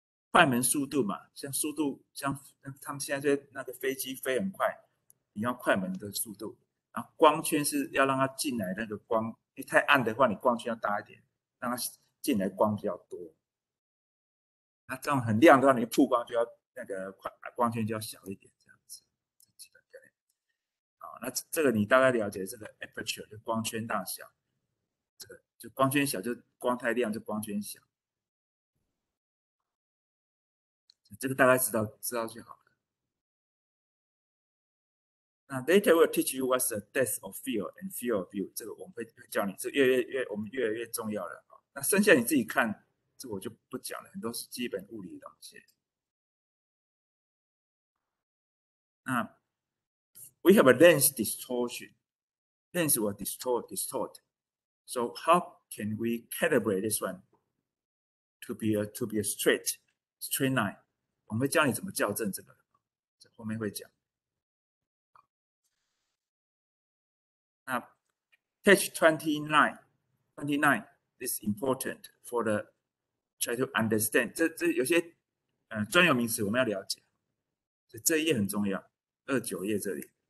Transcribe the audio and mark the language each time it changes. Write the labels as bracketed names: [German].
[Chinese] 快门速度嘛, 像速度, 像他们现在那个飞机飞很快, 你要快门的速度, 然后光圈是要让它进来那个光, 因为太暗的话, 你光圈要大一点, 让它进来光比较多, 那这样很亮的话, 你曝光就要那个光圈就要小一点, 这样子。好, 那这个你大概了解, 这个 aperture 就光圈大小, 这个就光圈小, 就光太亮, 就光圈小, 这个大概知道, 知道就好。 [English] 那 later will teach you what's the depth of field and field of view. [Chinese] 这个我们会教你, 这越来越重要了。那剩下你自己看, 这我就不讲了, 很多是基本物理的东西。 [English] 那 we have a lens distortion. Lens will distort. So how can we calibrate this one to be a straight line? [Chinese] 我们会教你怎么校正这个, 这后面会讲。 [English] 那 page 29, this is important for the try to understand. [Chinese] 这有些专有名词我们要了解，这一页很重要， 29页这里。